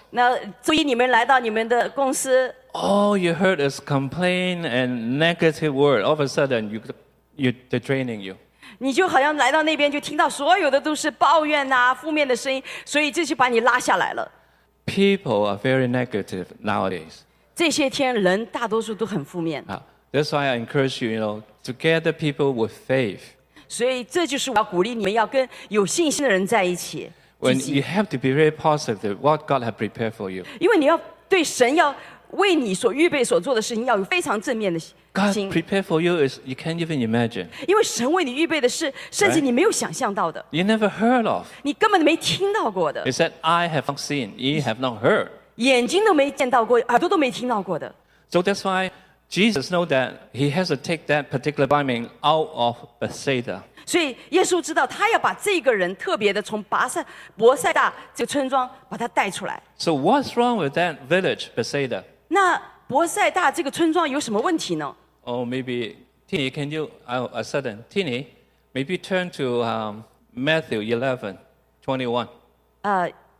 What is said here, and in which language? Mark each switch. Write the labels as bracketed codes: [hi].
[zh] 那周一你们来到你们的公司。 [en] All you heard is complain and negative word. All of a sudden, they're draining you. [zh] 你就好像来到那边，就听到所有的都是抱怨啊，负面的声音，所以这就把你拉下来了。 [en] People are very negative nowadays. [zh] 这些天人大多数都很负面。 [en] That's why I encourage you, you know, to gather people with faith. [zh] 所以这就是我要鼓励你们要跟有信心的人在一起。 [en] When you have to be very positive, what God has prepared for you. [zh] 因为你要对神要 为你所预备所做的事情要有非常正面的心。 [en] God prepared for you is you can't even imagine. [zh] 因为神为你预备的是甚至你没有想象到的。 [en] You never heard of. [zh] 你根本没听到过的。 [en] He said, I have not seen, ye have not heard. [zh] 眼睛都没见到过，耳朵都没听到过的。 [en] So that's why Jesus knows that he has to take that particular blind man out of Bethsaida. [zh] 所以耶稣知道他要把这个人特别的从伯赛大这个村庄把他带出来。 [en] So what's wrong with that village, Bethsaida? [zh] 那伯赛大这个村庄有什么问题呢? [en] Oh, maybe, Tini, can you, a sudden, Tini, maybe turn to Matthew 11, 21.